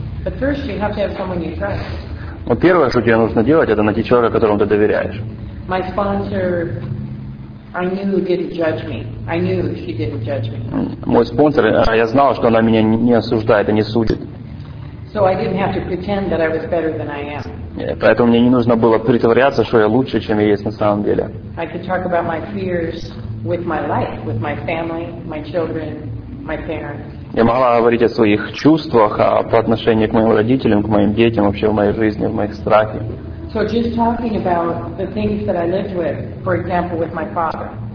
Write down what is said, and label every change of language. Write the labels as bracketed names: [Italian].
[English] But first you have to have someone you trust. [Russian] Но первое, что тебе нужно делать, это найти человека, которому ты доверяешь. [English] My sponsor, I knew, didn't judge me. I knew she didn't judge me. [Russian] Мой спонсор, я знал, что она меня не осуждает и не судит. [English] So I didn't have to pretend that I was better than I am. [Russian] Поэтому мне не нужно было притворяться, что я лучше, чем я есть на самом деле. [English] I could talk about my fears with my life, with my family, my children, my parents. [Russian] Я могла говорить о своих чувствах, по отношению к моим родителям, к моим детям, вообще в моей жизни, в моих страхах. [English] So just talking about the things that I lived with, for example, with my father.